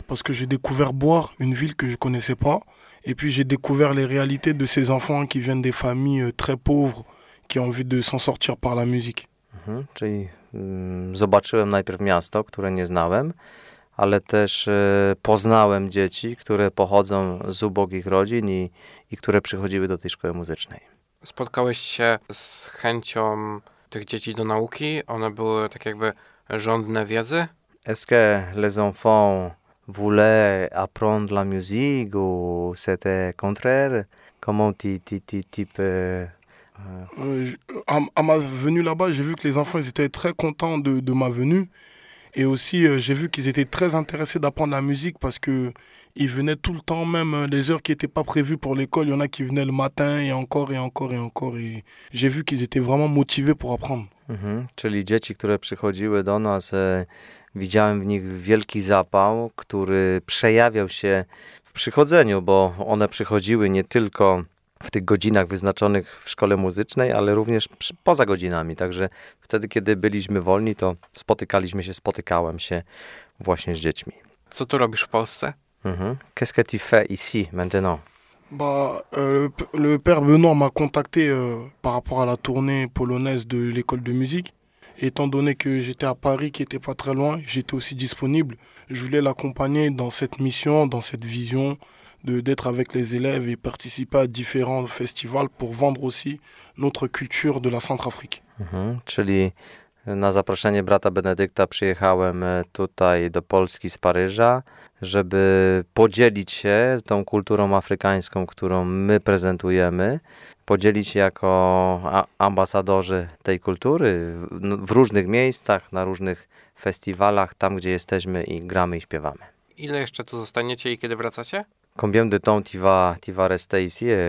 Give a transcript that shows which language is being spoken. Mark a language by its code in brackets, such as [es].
[fr] J'ai découvert Boire, une ville que je connaissais pas, et puis j'ai découvert les réalités de ces enfants qui viennent des familles très pauvres qui ont envie de s'en sortir par la musique. [pl] Czyli zobaczyłem najpierw miasto, które nie znałem, ale też poznałem dzieci, które pochodzą z ubogich rodzin i które przychodziły do tej szkoły muzycznej. Spotkałeś się z chęcią tych dzieci do nauki, one były tak jakby żądne wiedzy? [fr] Est-ce que les enfants voulaient apprendre la musique ou c'était contraire? Comment tu peux... À ma venue là-bas, j'ai vu que les enfants, ils étaient très contents de ma venue. Et aussi, j'ai vu qu'ils étaient très intéressés d'apprendre la musique parce qu'ils venaient tout le temps, même les heures qui n'étaient pas prévues pour l'école. Il y en a qui venaient le matin et encore et encore et encore. Et j'ai vu qu'ils étaient vraiment motivés pour apprendre. Mm-hmm. [pl] Czyli dzieci, które przychodziły do nas, widziałem w nich wielki zapał, który przejawiał się w przychodzeniu, bo one przychodziły nie tylko w tych godzinach wyznaczonych w szkole muzycznej, ale również poza godzinami. Także wtedy, kiedy byliśmy wolni, to spotykałem się właśnie z dziećmi. Co tu robisz w Polsce? Mm-hmm. [fr] Qu'est-ce que tu fais ici maintenant? Le père Benoît m'a contacté par rapport à la tournée polonaise de l'école de musique. Étant donné que j'étais à Paris, qui n'était pas très loin, j'étais aussi disponible. Je voulais l'accompagner dans cette mission, dans cette vision, d'être avec les élèves et participer à différents festivals pour vendre aussi notre culture de la Centrafrique. Mm-hmm. [pl] Czyli na zaproszenie brata Benedykta przyjechałem tutaj do Polski z Paryża, żeby podzielić się tą kulturą afrykańską, którą my prezentujemy, podzielić się jako ambasadorzy tej kultury w różnych miejscach, na różnych festiwalach, tam gdzie jesteśmy i gramy i śpiewamy. Ile jeszcze tu zostaniecie i kiedy wracacie? [fr] Combien de temps tu vas rester ici?